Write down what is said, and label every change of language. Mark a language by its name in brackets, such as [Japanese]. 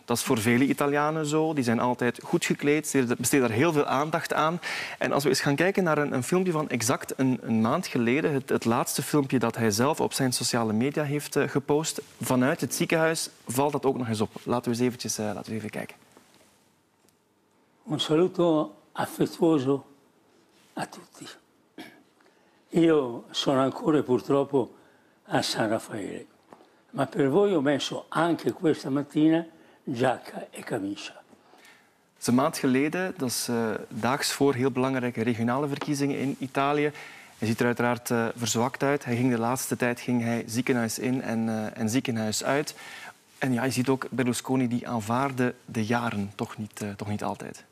[Dutch] Dat is voor vele Italianen zo. Die zijn altijd goed gekleed, besteden daar heel veel aandacht aan. En als we eens gaan kijken naar een filmpje van exact een maand geleden, het laatste filmpje dat hij zelf op zijn sociale media heeft gepost, vanuit het ziekenhuis, valt dat ook nog eens op. Laten we even kijken. [Italian] Un saluto affettuoso a tutti. Io sono ancora purtroppo a San Raffaele. Maar per voi ho messo anche questa mattina giacca e camicia. [Dutch] Het is een maand geleden, dat is daags voor heel belangrijke regionale verkiezingen in Italië. Hij ziet er uiteraard verzwakt uit. Hij ging de laatste tijd ging hij ziekenhuis in en ziekenhuis uit. En ja, je ziet ook Berlusconi die aanvaarde de jaren toch niet altijd.